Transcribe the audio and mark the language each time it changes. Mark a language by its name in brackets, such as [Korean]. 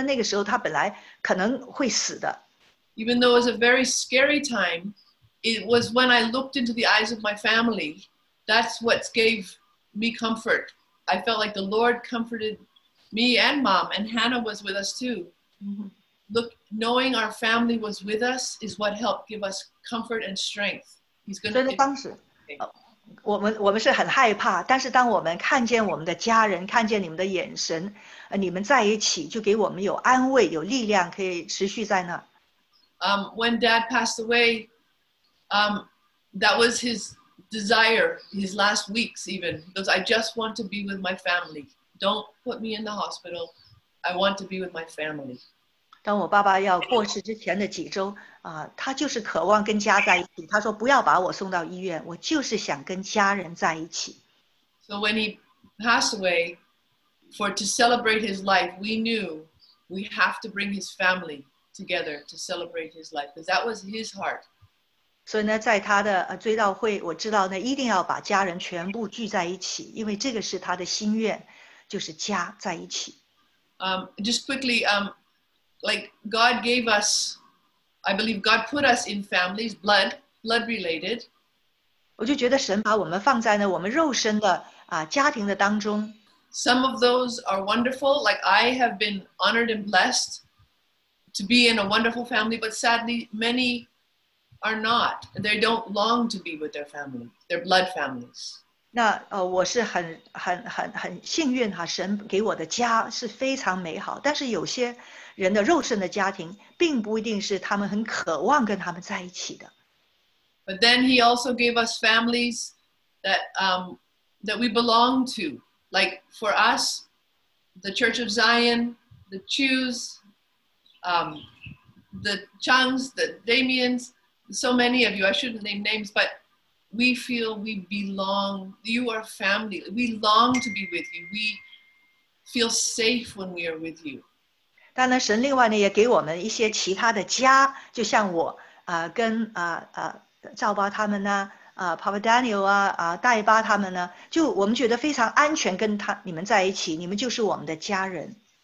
[Chinese] 就是我记得若干年前呢，当我爸爸在香港参加回家聚集的时候呢，就从台上掉了，就跌倒了。可以说呢，那个时候他本来可能会死的。 [English] Even though it was a very scary time, it was when I looked into the eyes of my family that's what gave me comfort. I felt like the Lord comforted me and Mom, and Hannah was with us too. Mm-hmm. Look, knowing our family was with us is what helped give us comfort and strength. He's going to give us. [Chinese] 我们是很害怕，但是当我们看见我们的家人，看见你们的眼神，你们在一起，就给我们有安慰，有力量，可以持续在那。 [English] When Dad passed away, that was his desire, his last weeks even, because I just want to be with my family. Don't put me in the hospital. I want to be with my family. [Chinese] 当我爸爸要过世之前的几周。他就是渴望跟家在一起。他说：“不要把我送到医院，我就是想跟家人在一起。” [English] So when he passed away, for to celebrate his life, we knew we have to bring his family together to celebrate his life, because that was his heart. [Chinese] 所以呢，在他的追悼会，我知道呢，一定要把家人全部聚在一起，因为这个是他的心愿，就是家在一起。 [English] Just quickly, like God gave us. I believe God put us in families, blood related. [Chinese] 我就觉得神把我们放在呢我们肉身的家庭的当中。 [English] Some of those are wonderful, like I have been honored and blessed to be in a wonderful family, but sadly many are not. They don't long to be with their family, their blood families. [Chinese] 那我是很幸运哈，神给我的家是非常美好，但是有些。人的肉身的家庭并不一定是他们很渴望跟他们在一起的。 [English] But then he also gave us families that we belong to. Like for us, the Church of Zion, the Chus, the Chungs, the Damians, so many of you, I shouldn't name names, but we feel we belong, you are family. We long to be with you. We feel safe when we are with you. [Chinese] 但呢，神另外呢也给我们一些其他的家，就像我跟赵巴他们呢，Papa Daniel 戴巴他们呢，就我们觉得非常安全跟你们在一起，你们就是我们的家人。